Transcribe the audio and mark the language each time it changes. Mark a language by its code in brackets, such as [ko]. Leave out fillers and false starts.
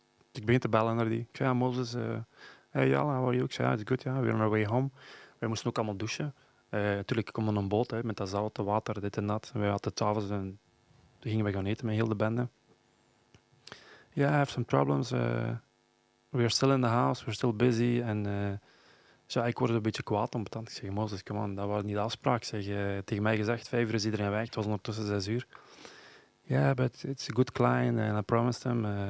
[nl] Ik begin te bellen naar die. Ik zei, ja, Moses, [en] hey Jala, how are you? [nl] Ik zei, [en] it's good, yeah, we're on our way home. [nl] Wij moesten ook allemaal douchen. Natuurlijk, ik kom in een boot hè, met dat zout, water, dit en dat. Wij hadden tafels en toen gingen we gaan eten met heel de bende. [en] Ja, yeah, I have some problems. We are still in the house, we're still busy. [nl] Ik word een beetje kwaad om het aan. Ik zeg, Moses, [en] come on, [nl] dat was niet de afspraak. Zeg, tegen mij gezegd, 5 uur is iedereen weg. Het was ondertussen 6 uur. [en] Ja, yeah, but it's a good client and I promised him.